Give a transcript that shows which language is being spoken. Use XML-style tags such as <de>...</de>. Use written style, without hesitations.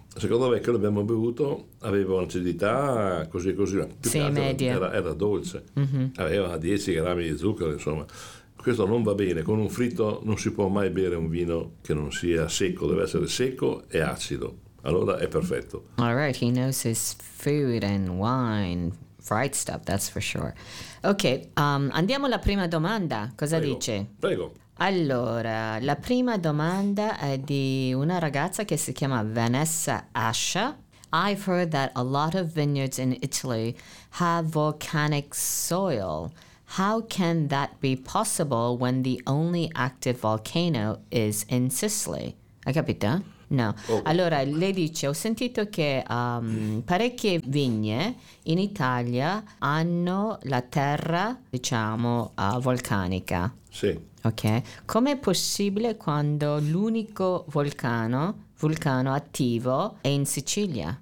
<it>Secondo me quello che abbiamo bevuto aveva un'acidità così così, più sì, media. Era dolce, mm-hmm. Aveva 10 grammi di zucchero, insomma. Questo non va bene, con un fritto non si può mai bere un vino che non sia secco, deve essere secco e acido, allora è perfetto.</it> <en>All right, he knows his food and wine. Fried stuff, that's for sure.</en> <it>Ok, andiamo alla prima domanda. Cosa prego, dice? Prego. Allora, la prima domanda è di una ragazza che si chiama Vanessa Asha.</it> <en>I've heard that a lot of vineyards in Italy have volcanic soil. How can that be possible when the only active volcano is in Sicily?</en> <it>Hai capito? No. Oh. Allora, lei dice, ho sentito che parecchie vigne in Italia hanno la terra, diciamo, vulcanica. Sì. Ok. Com'è possibile quando l'unico vulcano attivo è in Sicilia?</it>